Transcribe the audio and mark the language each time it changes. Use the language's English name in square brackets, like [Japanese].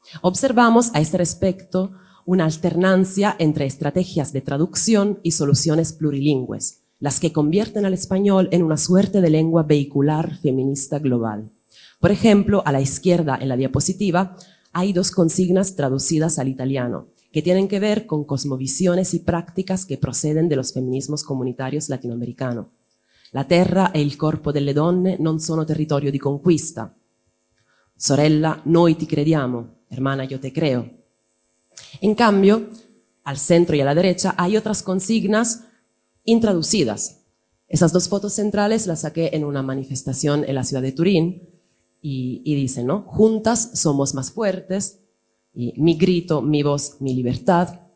[Spanish] Observamos a este respecto una alternancia entre estrategias de traducción y soluciones plurilingües, las que convierten al español en una suerte de lengua vehicular feminista global. Por ejemplo, a la izquierda en la diapositiva hay dos consignas traducidas al italiano, que tienen que ver con cosmovisiones y prácticas que proceden de los feminismos comunitarios latinoamericanos. [Italian] La terra e il corpo delle donne non sono territorio di conquista. Sorella, noi ti crediamo. [Spanish] Hermana, yo te creo. En cambio, al centro y a la derecha hay otras consignas intraducidas. Esas dos fotos centrales las saqué en una manifestación en la ciudad de Turín y dicen, ¿no? Juntas somos más fuertes, y mi grito, mi voz, mi libertad.